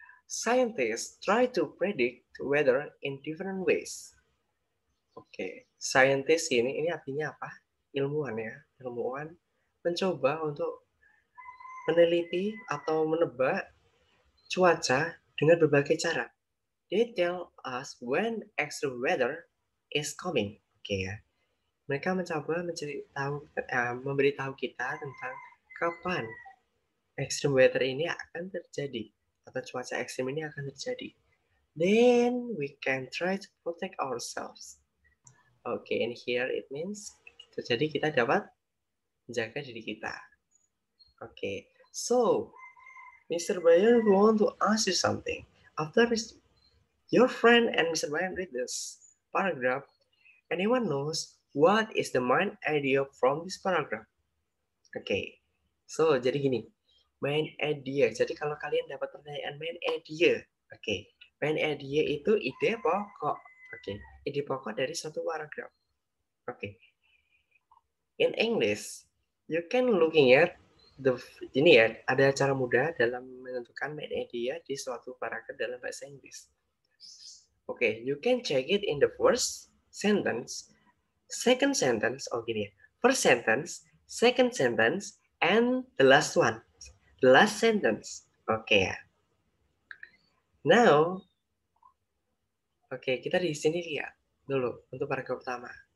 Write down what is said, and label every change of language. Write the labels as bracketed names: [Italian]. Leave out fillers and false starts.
[English] scientists try to predict weather in different ways. [Indonesian] Oke, scientist ini artinya apa? Ilmuwan ya, ilmuwan mencoba untuk meneliti atau menebak cuaca dengan berbagai cara. [English] They tell us when extra weather is coming. Oke ya. [Indonesian] Mereka mencoba memberitahu kita tentang kapan extreme weather ini akan terjadi atau cuaca ekstrim ini akan terjadi. [English] Then we can try to protect ourselves. [Indonesian] Okay, [English] and here it means [Indonesian] terjadi kita dapat menjaga diri kita. [English] Okay, so Mr. Bayon, we want to ask you something. After your friend and Mr. Bayon read this paragraph, anyone knows what is the main idea from this paragraph? [Indonesian] Okay, so jadi gini, main idea. Jadi kalau kalian dapat pertanyaan main idea, okay, main idea itu ide pokok. [English] Okay, [Indonesian] ide pokok dari suatu [English] paragraph. Okay, in English, you can looking at the ini ya. [Indonesian] Ada cara mudah dalam menentukan main idea di suatu paragraph dalam bahasa Inggris. [English] Okay, you can check it in the first sentence. Second sentence, [Indonesian] oh gini ya. [English] First sentence, second sentence, and the last one. The last sentence, [Indonesian] okay ya. Now, okay, kita di sini lihat dulu untuk paragraf pertama.